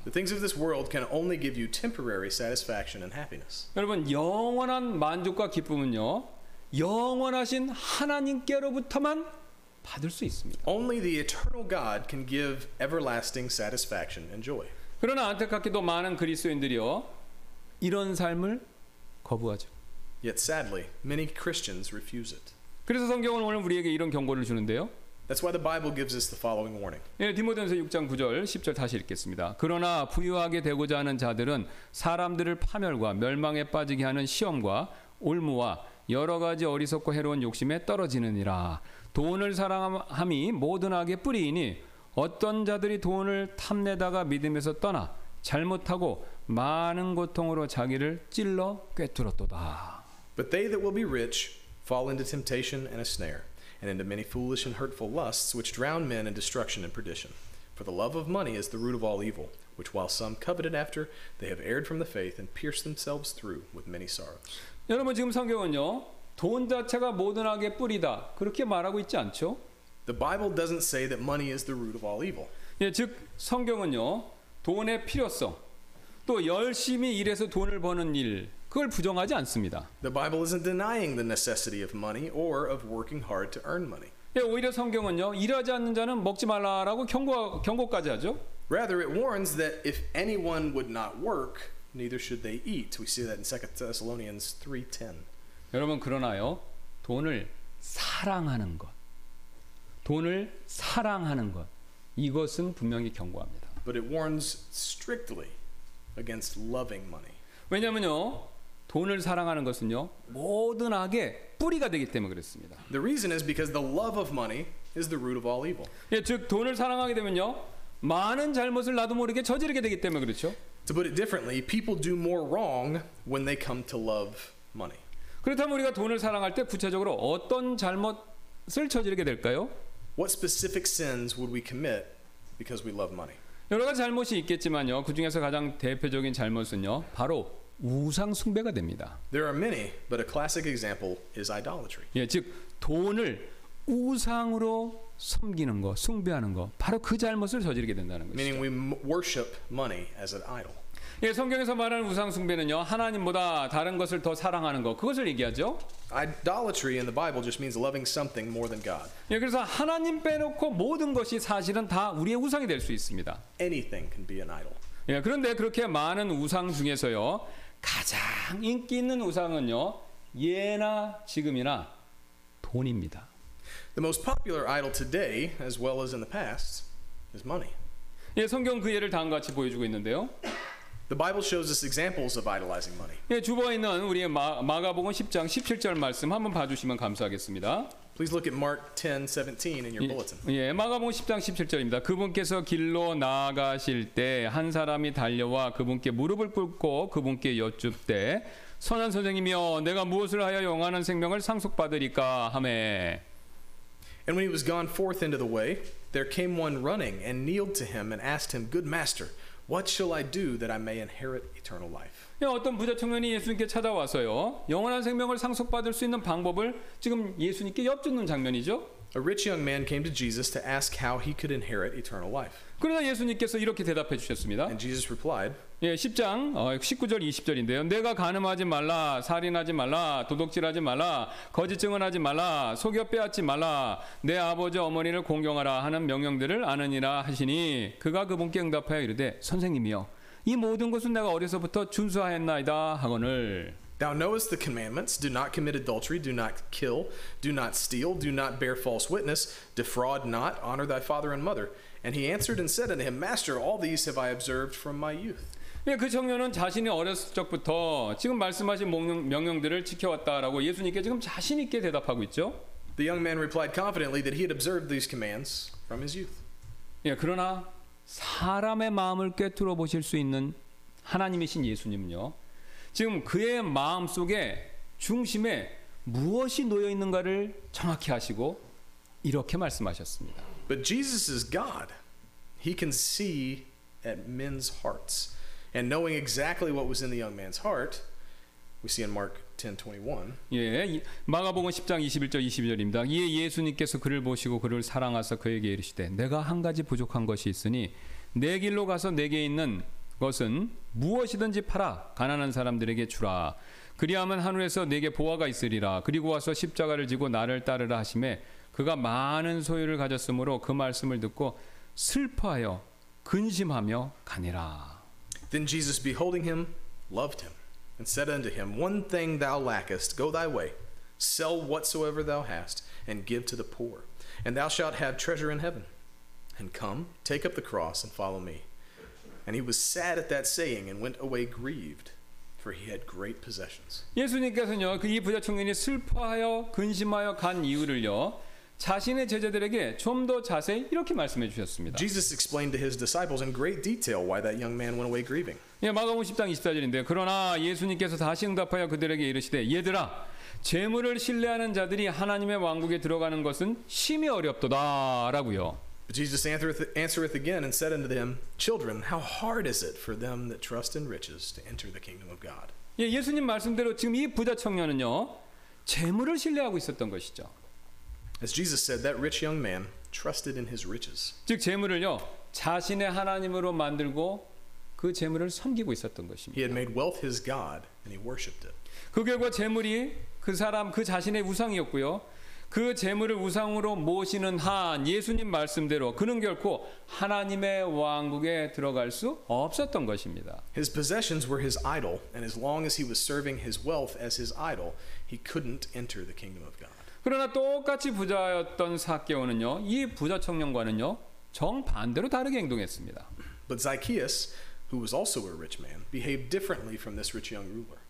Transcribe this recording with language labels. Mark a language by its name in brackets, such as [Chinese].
[English] The things of this world can only give you temporary satisfaction and happiness. [Korean] 여러분 영원한 만족과 기쁨은요, 영원하신 하나님께로부터만 받을 수 있습니다. [English] Only the eternal God can give everlasting satisfaction and joy. [Korean] 그러나 안타깝게도 많은 그리스도인들이요, 이런 삶을 거부하죠. [English] Yet sadly, many Christians refuse it. [Korean] 그래서 성경은 오늘 우리에게 이런 경고를 주는데요. [English] That's why the Bible gives us the following warning. [Korean] 예, 디모데전서 6장 9절, 10절 다시 읽겠습니다. 그러나 부유하게 되고자 하는 자들은 사람들을 파멸과 멸망에 빠지게 하는 시험과 올무와 여러 가지 어리석고 해로운 욕심에 떨어지느니라. 돈을 사랑함이 모든 악의 뿌리이니 어떤 자들이 돈을 탐내다가 믿음에서 떠나 잘못하고 많은 고통으로 자기를 찔러 꿰뚫었도다. [English] But they that will be rich fall into temptation and a snare, and into many foolish and hurtful lusts, which drown men in destruction and perdition. For the love of money is the root of all evil, which while some coveted after, they have erred from the faith and pierced themselves through with many sorrows. [Korean] 여러분 지금 성경은요, 돈 자체가 모든 악의 뿌리다 그렇게 말하고 있지 않죠? [English] The Bible doesn't say that money is the root of all evil. [Korean] 예, 즉 성경은요, 돈의 필요성, 또 열심히 일해서 돈을 버는 일, 그걸 부정하지 않습니다. [English] The Bible isn't denying the necessity of money or of working hard to earn money. [Korean] 예, 오히려 성경은요, 일하지 않는 자는 먹지 말라라고 경고까지 하죠. [English] Rather, it warns that if anyone would not work, neither should they eat. We see that in 2 Thessalonians 3:10. [Korean] 여러분 그러나요, 돈을 사랑하는 것, 돈을 사랑하는 것, 이것은 분명히 경고합니다. [English] But it warns strictly against loving money. [Korean] 왜냐면요, 돈을 사랑하는 것은요, 모든 악의 뿌리가 되기 때문에 그렇습니다. [English] The reason is because the love of money is the root of all evil. [Korean] 예, 즉 돈을 사랑하게 되면요, 많은 잘못을 나도 모르게 저지르게 되기 때문에 그렇죠. [English] To put it differently, people do more wrong when they come to love money. [Korean] 그렇다면 우리가 돈을 사랑할 때 구체적으로 어떤 잘못을 저지르게 될까요? [English] What specific sins would we commit because we love money? [Korean] 여러 가지 잘못이 있겠지만요. 그 중에서 가장 대표적인 잘못은요, 바로 우상 숭배가 됩니다. [English] There are many, but a classic example is idolatry. [Korean] 예, 즉 돈을 우상으로 섬기는 거, 숭배하는 거, 바로 그 잘못을 저지르게 된다는 것이죠. [English] Meaning we worship money as an idol. [Korean] 예, 성경에서 말하는 우상 숭배는요, 하나님보다 다른 것을 더 사랑하는 거, 그것을 얘기하죠. [English] Idolatry in the Bible just means loving something more than God. [Korean] 예, 그래서 하나님 빼놓고 모든 것이 사실은 다 우리의 우상이 될 수 있습니다. [English] Anything can be an idol. [Korean] 예, 그런데 그렇게 많은 우상 중에서요, 가장 인기 있는 우상은요, 예나 지금이나 돈입니다. [English] The most popular idol today, as well as in the past, is money. [Korean] 예, 성경 그 예를 다음과 같이 보여주고 있는데요. [English] The Bible shows us examples of idolizing money. [Korean] 예, 주보에 있는 우리의 마가복음 10장 17절 말씀 한번 봐주시면 감사하겠습니다. [English] Please look at Mark 10:17 in your bulletin. [Korean] 예, 마가복음 10장 17절입니다. 그분께서 길로 나아가실 때 한 사람이 달려와 그분께 무릎을 꿇고 그분께 여쭙되 선한 선생님이여 내가 무엇을 하여 영원한 생명을 상속받으리까 하매. [English] And when he was gone forth into the way, there came one running and kneeled to him and asked him, "Good master, what shall I do that I may inherit eternal life?" [Korean] 예, 어떤 부자 청년이 예수님께 찾아와서요, 영원한 생명을 상속받을 수 있는 방법을 지금 예수님께 여쭙는 장면이죠. [English] A rich young man came to Jesus to ask how he could inherit eternal life. [Korean] 그러자 예수님께서 이렇게 대답해 주셨습니다. [English] And Jesus replied, [Korean] 예, 10장 19절 20절인데요. 내가 가늠하지 말라, 살인하지 말라, 도둑질하지 말라, 거짓 증언하지 말라, 속여 빼앗지 말라, 내 아버지 어머니를 공경하라 하는 명령들을 아느니라 하시니 그가 그분께 응답하여 이르되 선생님이여 이 모든 것은 내가 어려서부터 준수하였나이다 하거늘. [English] Thou knowest the commandments. Do not commit adultery. Do not kill. Do not steal. Do not bear false witness. Defraud not. Honor thy father and mother. And he answered and said unto him, Master, all these have I observed from my youth. [Korean] 예, 그 청년은 자신이 어렸을 적부터 지금 말씀하신 명령들을 지켜왔다라고 예수님께 지금 자신 있게 대답하고 있죠. [English] The young man replied confidently that he had observed these commands from his youth. [Korean] 예, 그러나 사람의 마음을 꿰뚫어 보실 수 있는 하나님이신 예수님은요, 지금 그의 마음 속에 중심에 무엇이 놓여 있는가를 정확히 아시고 이렇게 말씀하셨습니다. [English] But Jesus is God. He can see at men's hearts. And knowing exactly what was in the young man's heart, we see in Mark 10:21. [Korean] 예, 마가복음 10장 21절 22절입니다. 이에 예수님께서 그를 보시고 그를 사랑하사 그에게 이르시되 내가 한 가지 부족한 것이 있으니 내 길로 가서 내게 있는 것은 무엇이든지 팔아 가난한 사람들에게 주라. 그리하면 하늘에서 내게 보화가 있으리라. 그리고 와서 십자가를 지고 나를 따르라 하심에 그가 많은 소유를 가졌으므로 그 말씀을 듣고 슬퍼하여 근심하며 가니라. [English] Then Jesus beholding him loved him and said unto him, One thing thou lackest, go thy way, sell whatsoever thou hast and give to the poor, and thou shalt have treasure in heaven. And come, take up the cross and follow me. And he was sad at that saying and went away grieved, for he had great possessions. [Korean] 예수님께서는요, 그 이 부자 청년이 슬퍼하여 근심하여 간 이유를요, 자신의 제자들에게 좀 더 자세히 이렇게 말씀해 주셨습니다. [English] Jesus explained to his disciples in great detail why that young man went away grieving. [Korean] 예, 마가복음 10장 24절인데요. 그러나 예수님께서 다시 응답하여 그들에게 이르시되 얘들아 재물을 신뢰하는 자들이 하나님의 왕국에 들어가는 것은 심히 어렵도다라고요. [English] But Jesus answereth again and said unto them, Children, how hard is it for them that trust in riches to enter the kingdom of God? [Korean] 예, 예수님 말씀대로 지금 이 부자 청년은요, 재물을 신뢰하고 있었던 것이죠. [English] As Jesus said, that rich young man trusted in his riches. [Korean] 즉 재물을요, 자신의 하나님으로 만들고 그 재물을 섬기고 있었던 것입니다. [English] He had made wealth his God and he worshipped it. [Korean] 그 결과 재물이 그 사람 그 자신의 우상이었고요. 그 재물을 우상으로 모시는 한 예수님 말씀대로 그는 결코 하나님의 왕국에 들어갈 수 없었던 것입니다. [English] His possessions were his idol, and as long as he was serving his wealth as his idol, he couldn't enter the kingdom of God. [Korean] 그러나 똑같이 부자였던 삭개오는요, 이 부자 청년과는요, 정반대로 다르게 행동했습니다. [English] But Zacchaeus, who was also a rich man, behaved differently from this rich young ruler.